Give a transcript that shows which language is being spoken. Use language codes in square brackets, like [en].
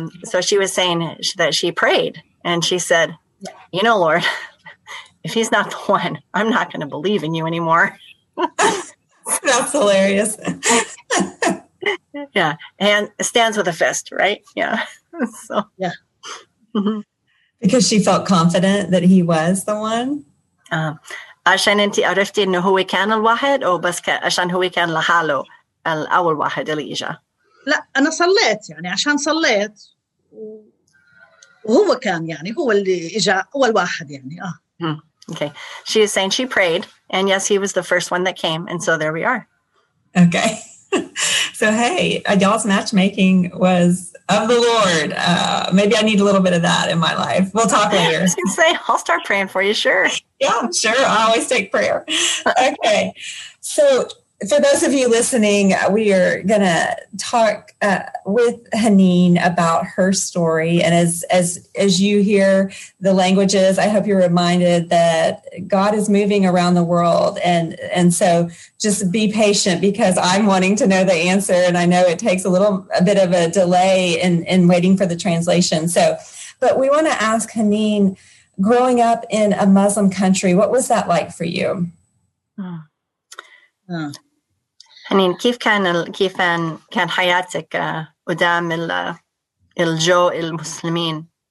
[en] So she was saying that she prayed and she said, you know, Lord, if he's not the one, I'm not going to believe in you anymore. That's hilarious. Yeah. And stands with a fist, right? Yeah. So, yeah. Because she felt confident that he was the one. [ar] عشان انت عرفتي انه هو كان الواحد او بس عشان هو كان لحاله الاول واحد اللي اجا. لا أنا صليت يعني عشان صليت وهو كان يعني هو اللي إجا أول واحد يعني [en] Okay. She is saying she prayed and yes, he was the first one that came and so there we are. Okay. So hey, y'all's matchmaking was of the Lord. Maybe I need a little bit of that in my life. We'll talk later. I was gonna say, I'll start praying for you, sure. Yeah, sure. I always take prayer. Okay. So for those of you listening, we are going to talk with Hanin about her story. And as you hear the languages, I hope you're reminded that God is moving around the world. And so just be patient because I'm wanting to know the answer. And I know it takes a bit of a delay in waiting for the translation. So, but we want to ask Hanin, growing up in a Muslim country, what was that like for you? [ar] حنين كيف كان حياتك قدام الجو المسلمين